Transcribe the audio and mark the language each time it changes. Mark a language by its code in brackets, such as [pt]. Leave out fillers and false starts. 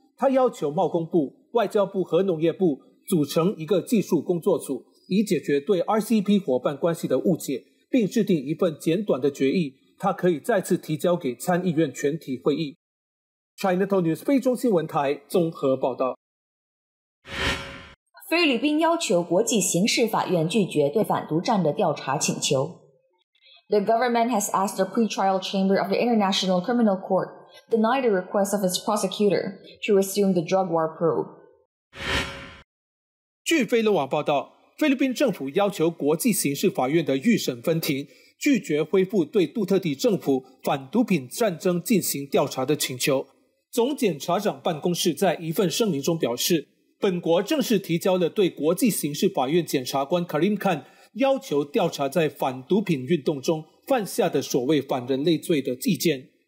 [zh] 他要求贸工部、外交部和农业部组成一个技术工作组，以解决对 RCEP 伙伴关系的误解，并制定一份简短的决议，他可以再次提交给参议院全体会议。 Cntv News 菲中新闻台综合报道。菲律宾要求国际刑事法院拒绝对反毒战的调查请求。 [en] The government has asked the pre-trial chamber of the International Criminal Court deny the request of its prosecutor to resume the drug war probe. [zh] 据菲律网报道，菲律宾政府要求国际刑事法院的预审分庭拒绝恢复对杜特地政府反毒品战争进行调查的请求。总检察长办公室在一份声明中表示，本国正式提交了对国际刑事法院检察官 Karim Khan 要求调查在反毒品运动中犯下的所谓反人类罪的意见。